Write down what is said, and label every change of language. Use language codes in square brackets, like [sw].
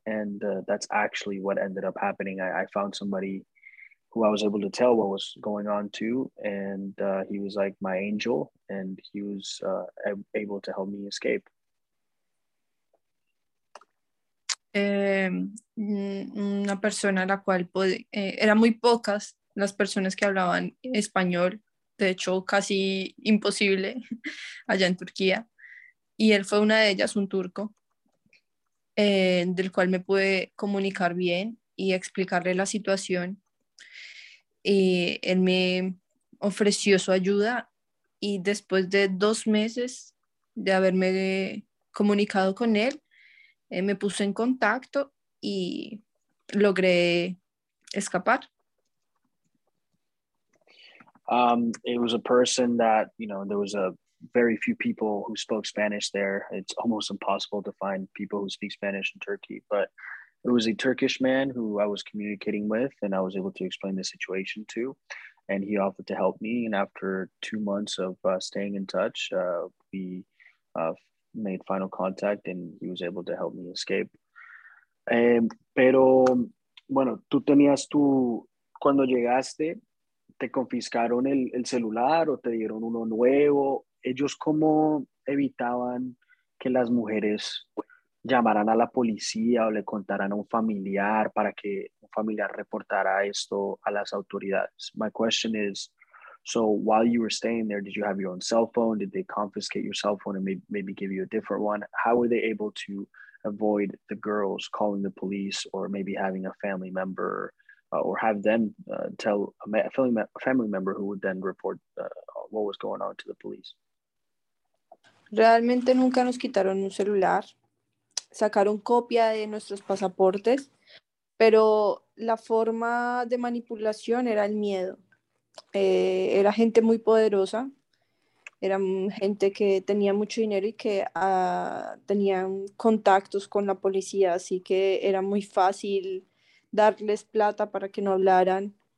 [en] And that's actually what ended up happening. I found somebody who I was able to tell what was going on to, and he was like my angel, and he was able to help me escape. [es] una persona a la cual eran muy pocas las personas que hablaban español, de hecho casi imposible allá en Turquía, y él fue una de ellas, un turco, del cual me pude comunicar bien y explicarle la situación. Él me ofreció su ayuda y después de 2 meses de haberme comunicado con él, me puso en contacto y logré escapar. [en] It was a person that, you know, there was a very few people who spoke Spanish there. It's almost impossible to find people who speak Spanish in Turkey, but it was a Turkish man who I was communicating with and I was able to explain the situation to, and he offered to help me. And after 2 months of staying in touch, we made final contact and he was able to help me escape. [es] Pero bueno, tú tenías tu cuando llegaste. ¿Te confiscaron el celular o te dieron uno nuevo? ¿Ellos cómo evitaban que las mujeres llamaran a la policía o le contaran a un familiar para que un familiar reportara esto a las autoridades? [en] My question is, so while you were staying there, did you have your own cell phone? Did they confiscate your cell phone and maybe give you a different one? How were they able to avoid the girls calling the police or maybe having a family member? Or have them tell a family member who would then report what was going on to the police. [es] Realmente nunca nos quitaron un celular, sacaron copia de nuestros pasaportes, pero la forma de manipulación era el miedo. Era gente muy poderosa, era gente que tenía mucho dinero y que tenían contactos con la policía, así que era muy fácil darles plata para que no hablaran.